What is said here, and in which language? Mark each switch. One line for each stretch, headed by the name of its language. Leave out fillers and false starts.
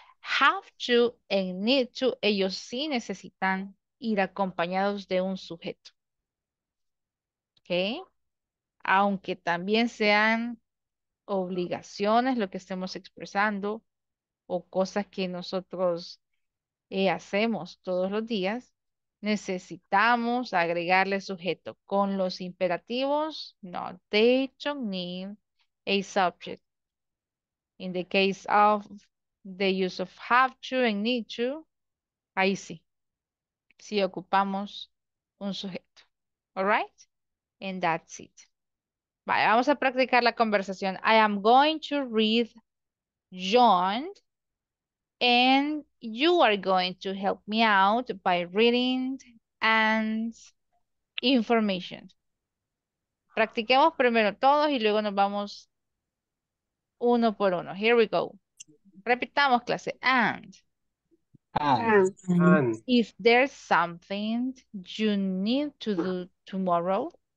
English: Have to and need to,
Spanish: ellos sí necesitan ir acompañados de un sujeto. ¿Ok? Aunque también sean obligaciones lo que estemos expresando o cosas que nosotros hacemos todos los días, necesitamos agregarle sujeto. Con los imperativos, no,
English: they don't need a subject. In the case of the use of have to and need to,
Spanish: ahí sí, sí ocupamos un sujeto.
English: All right? And that's it.
Spanish: Vale, vamos a practicar la conversación.
English: I am going to read John and you are going to help me out by reading and information.
Spanish: Practiquemos primero todos y luego nos vamos uno por uno.
English: Here we go.
Spanish: Repitamos clase.
English: And. If there's something you need to do tomorrow,